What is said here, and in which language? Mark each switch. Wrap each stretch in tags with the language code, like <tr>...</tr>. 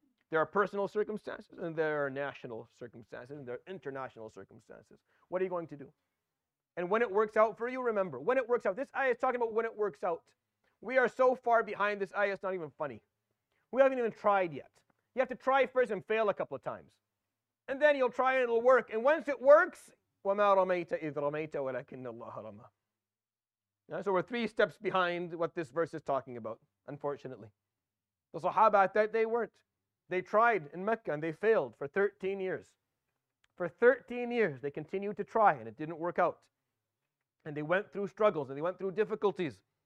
<en>There are personal circumstances and there are national circumstances and there are international circumstances. What are you going to do? And when it works out for you, remember, when it works out. This ayah is talking about when it works out. We are so far behind this ayah, it's not even funny. We haven't even tried yet. You have to try first and fail a couple of times. And then you'll try and it'll work. And once it works,</en> <ar>وَمَا رَمَيْتَ إِذْ رَمَيْتَ وَلَكِنَّ اللَّهَ رَمَى.</ar> <en>So we're three steps behind what this verse is talking about, unfortunately. The Sahaba at that day weren't. They tried in Mecca and they failed for 13 years. For 13 years, they continued to try and it didn't work out. And they went through struggles and they went through difficulties.</en>